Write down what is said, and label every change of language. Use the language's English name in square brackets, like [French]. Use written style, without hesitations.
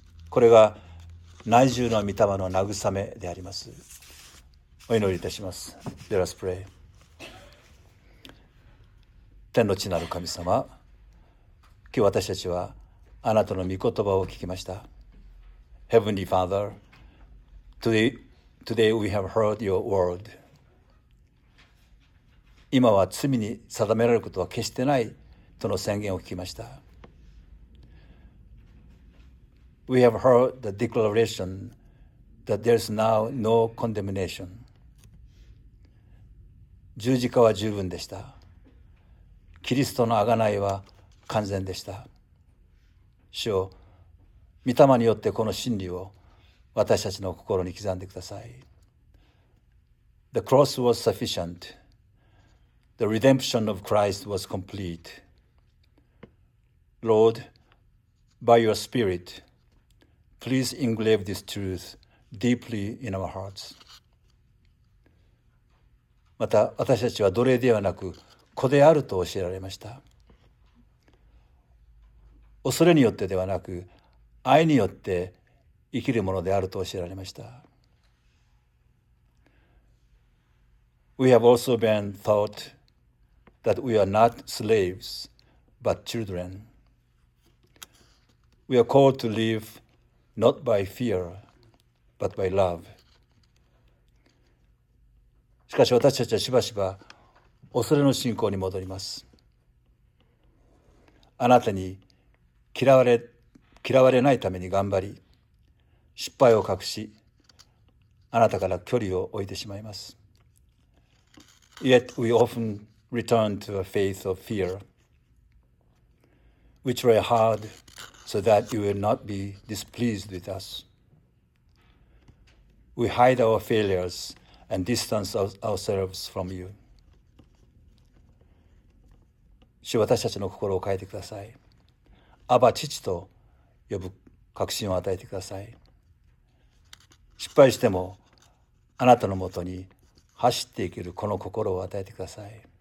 [Japanese] これが内住の御霊の慰めであります。お祈りいたします。 [English] Let us pray。 [Japanese] 天の地なる神様、今日私たちはあなたの御言葉を聞きました。 [English] Heavenly Father, today we have heard your word。 [Japanese] 今は罪に定められることは決してないとの宣言を聞きました。 [English] We have heard the declaration that there is now no condemnation. [Japanese] 十字架は十分でした。キリストの贖いは完全でした。主よ、御霊によってこの真理を私たちの心に刻んでください。 [English] The cross was sufficient. The redemption of Christ was complete. Lord, by your Spirit,Please engrave this truth deeply in our hearts. [Japanese] また私たちは奴隷ではなく子であると教えられました。恐れによってではなく愛によって生きるものであると教えられました。 [English] We have also been taught that we are not slaves but children. We are called to liveNot by fear, but by love. [Japanese] しかし私たちはしばしば恐れの信仰に戻ります。あなたに嫌われないために頑張り、失敗を隠し、あなたから距離を置いてしまいます。 [English] Yet we often return to a faith of fear. We try hard. So that you will not be displeased with us. We hide our failures and distance ourselves from you. [Japanese] 主、私たちの心を変えてください。アバ父と呼ぶ確信を与えてください。失敗してもあなたのもとに走っていけるこの心を与えてください。